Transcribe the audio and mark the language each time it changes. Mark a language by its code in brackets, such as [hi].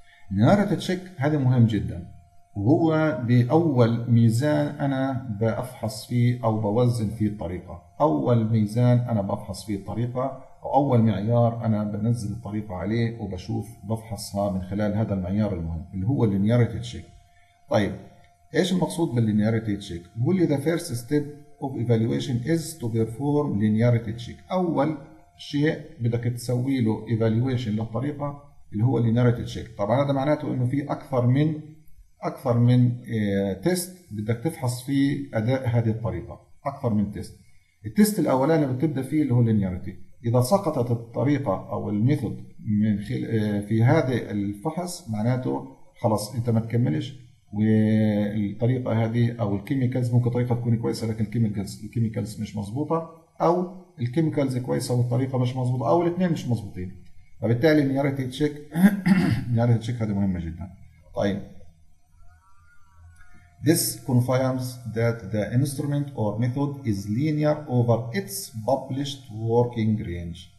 [ar] اللينيرتي تشيك هذا مهم جدا، وهو باول ميزان انا بفحص فيه او بوزن فيه الطريقه. اول ميزان انا بفحص فيه الطريقه، أول معيار أنا بنزل الطريقة عليه وبشوف بفحصها من خلال هذا المعيار المهم اللي هو linearity check. طيب إيش المقصود باللينيارتي تشيك؟ بقول لي [en] the first step of evaluation is to perform linearity check. [ar] أول شيء بدك تسوي له evaluation للطريقة اللي هو linearity check. طبعا هذا معناته إنه في أكثر من تيست بدك تفحص فيه أداء هذه الطريقة، أكثر من تيست. التيست الأولاني بتبدأ فيه اللي هو linearity. إذا سقطت الطريقة أو الميثود من في هذا الفحص معناته خلاص أنت ما تكملش، والطريقة هذه أو الكيميكالز ممكن طريقة تكون كويسة لكن الكيميكالز مش مظبوطة، أو الكيميكالز كويسة والطريقة مش مظبوطة، أو الاثنين مش مظبوطين. فبالتالي النيارتي تشيك النيارتي تشيك هذه مهمة جدا. [en] طيب This confirms that the instrument or method is linear over its published working range.